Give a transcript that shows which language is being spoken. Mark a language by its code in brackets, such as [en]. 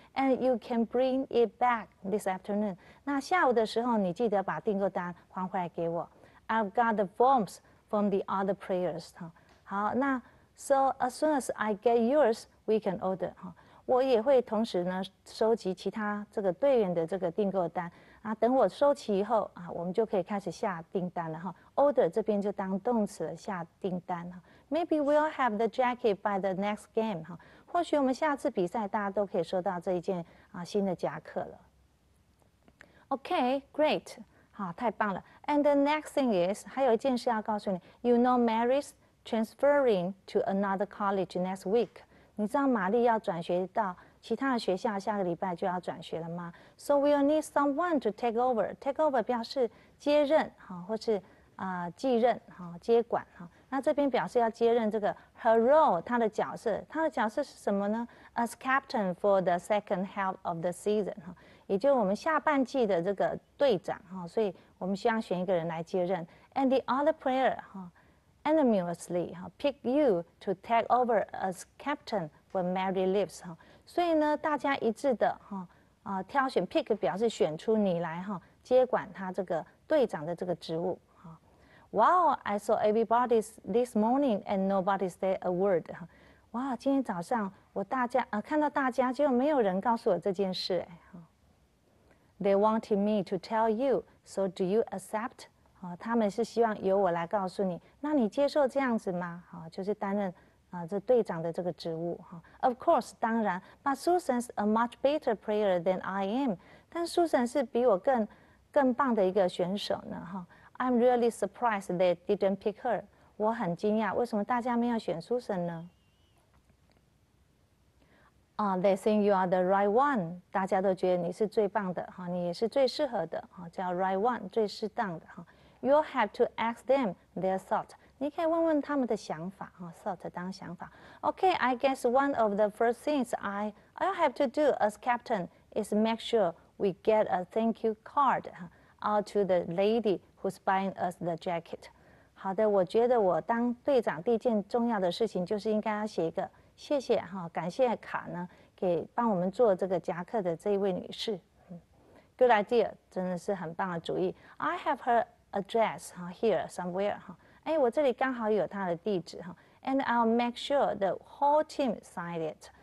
[en] And you can bring it back this afternoon. [zh] 那下午的时候你记得把订购单还回来给我。 [en] I've got the forms from the other players 哈。好，那 so as soon as I get yours, we can order 哈。 [zh] 我也会同时呢收集其他这个队员的这个订购单啊，等我收齐以后啊，我们就可以开始下订单了哈。 Order 这边就当动词了，下订单哈。 [en] Maybe we'll have the jacket by the next game 哈。 [zh] 或许我们下次比赛大家都可以收到这一件啊新的夹克了。 [en] Okay, great， [zh] 好，太棒了。 [en] And the next thing is， [zh] 还有一件事要告诉你 [en] ，You know Mary's transferring to another college next week。 [zh] 你知道玛丽要转学到其他的学校，下个礼拜就要转学了吗 ？ [en] So we'll need someone to take over. [zh] Take over 表示接任，或是继任，接管，那这边表示要接任这个 her role， 她的角色，她的角色是什么呢 ？ [en] As captain for the second half of the season， [zh] 也就是我们下半季的这个队长，所以我们需要选一个人来接任。 [en] And the other player， anonymously pick you to take over as captain when Mary leaves [zh] 哈，所以呢，大家一致的哈啊挑选 pick 表示选出你来哈接管他这个队长的这个职务哈。 [en] Wow, I saw everybody this morning and nobody said a word 哈。 [zh] 哇，今天早上我大家看到大家，结果没有人告诉我这件事哎哈。 [en] They wanted me to tell you, so do you accept? [zh] 他们是希望由我来告诉你，那你接受这样子吗？就是担任这队长的这个职务。 [en] Of course, 当然 ，but Susan's a much better player than I am. [zh] 但 Susan 是比我更棒的一个选手呢。 [en] I'm really surprised they didn't pick her. [zh] 我很惊讶，为什么大家没有选 Susan 呢？ [en] They think you are the right one. [zh] 大家都觉得你是最棒的，你也是最适合的，叫 right one， 最适当的。 [en] You'll have to ask them their thought. [zh] 你可以问问他们的想法哈 [en] ，thought 当想法。 Okay, I guess one of the first things I'll have to do as captain is make sure we get a thank you card out to the lady who's buying us the jacket. [zh] 好的，我觉得我当队长第一件重要的事情就是应该要写一个谢谢哈，感谢卡呢，给帮我们做这个夹克的这一位女士。 [en] Good idea， [zh] 真的是很棒的主意。 [en] I have her. Address here somewhere 哈， [zh] 哎，我这里刚好有他的地址哈 [en] ，and I'll make sure the whole team sign it。